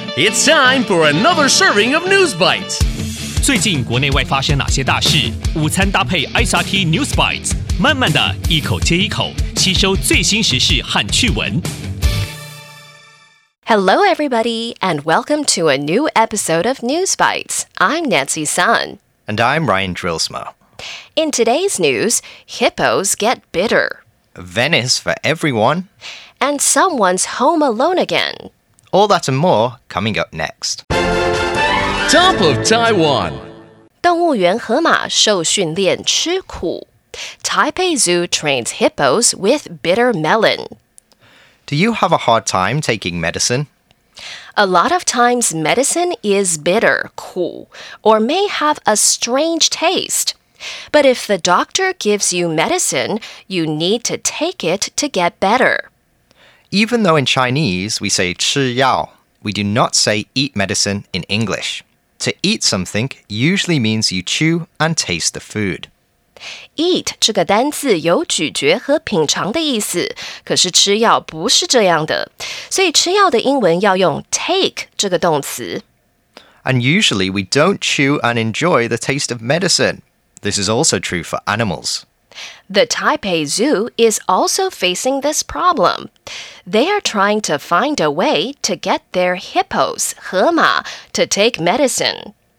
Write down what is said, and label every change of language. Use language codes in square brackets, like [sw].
[en] It's time for another serving of News Bites. [zh] 最近国内外发生哪些大事？午餐搭配 SRT News Bites， 慢慢的一口接一口，吸收最新时事和趣闻。 [en] Hello, everybody, and welcome to a new episode of News Bites. I'm Nancy Sun. And I'm Ryan Drillsma. In today's news, hippos get bitter. Venice for everyone. And someone's home alone again. All that and more coming up next. Top of Taiwan. [zh] 动物园河马受训练吃苦。 [en] Taipei Zoo trains hippos with bitter melon. Do you have a hard time taking medicine? A lot of times medicine is bitter, 苦, or may have a strange taste. But if the doctor gives you medicine, you need to take it to get better. Even though in Chinese we say 吃药, we do not say eat medicine in English. To eat something usually means you chew and taste the food. [zh] Eat 这个单字有咀嚼和品尝的意思，可是吃药不是这样的。所以吃药的英文要用 take 这个动词。 [en] And usually we don't chew and enjoy the taste of medicine. This is also true for animals. The Taipei Zoo is also facing this problem. They are trying to find a way to get their hippos, 河马, to take medicine.